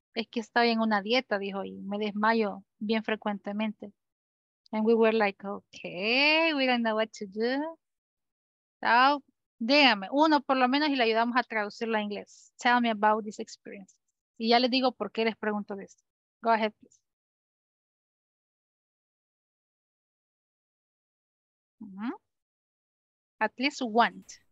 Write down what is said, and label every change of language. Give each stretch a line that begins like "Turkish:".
Spanish: Es que estoy en una dieta, dijo, y me desmayo bien frecuentemente.
English: And we were like, okay, we don't know what to do.
Spanish: So, dígame, uno por lo menos y le ayudamos a traducirlo a inglés.
English: Tell me about this experience.
Spanish: Y ya les digo por qué les pregunto de esto.
English: Go ahead, please. At least one.